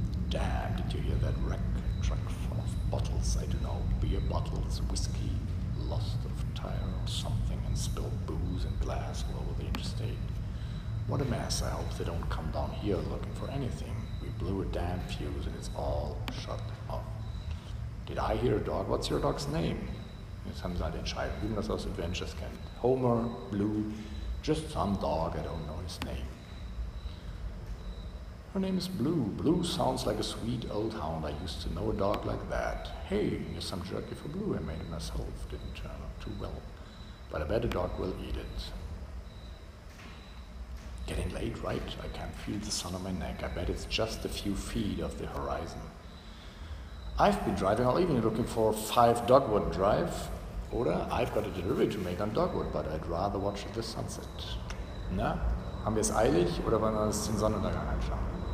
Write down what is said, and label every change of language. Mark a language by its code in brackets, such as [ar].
[en] Damn, did you hear that wreck? Truck full of bottles, I don't know, beer bottles, whiskey, lost of tire or something, and spilled booze and glass all over the interstate. What a mess, I hope they don't come down here looking for anything. We blew a damn fuse and it's all shut off. Did I hear a dog? What's your dog's name? [de] Jetzt haben sie halt entscheiden, wie man das aus Adventures kennt. [en] Homer, Blue, just some dog, I don't know his name. Her name is Blue. Blue sounds like a sweet old hound. I used to know a dog like that. Hey, here's some jerky for Blue. I made it myself. Didn't turn out too well. But I bet a dog will eat it. Getting late, right? I can't feel the sun on my neck. I bet it's just a few feet off the horizon. I've been driving all evening looking for 5 Dogwood Drive. Oder I've got a delivery to make on Dogwood, but I'd rather watch the sunset. [de] Na, haben wir es eilig oder wollen wir uns den Sonnenuntergang anschauen?